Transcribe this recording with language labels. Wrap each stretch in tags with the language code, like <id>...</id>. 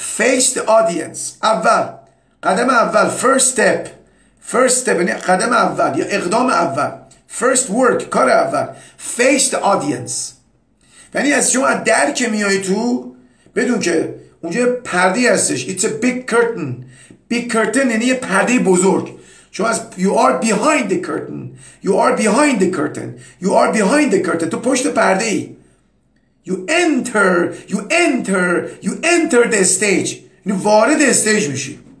<en>face the audience.</en> <fa>اول قدم اول،</fa> <en>first step، first step</en> <fa>یعنی قدم اول یا اقدام اول،</fa> <en>first work،</en> <fa>کار اول.</fa> <en>face the audience</en> <fa>یعنی از شما در که میای تو، بدون که اونجا پردی هستش.</fa> <en>it's a big curtain. big curtain</en> <fa>یعنی یه پرده بزرگ. شما از</fa> <en>you are behind the curtain، you are behind the curtain، you are behind the curtain.</en> <fa>تو پشت پرده ای.</fa> <en>you enter the stage</en> <fa>یعنی وارد استیج میشی.</fa>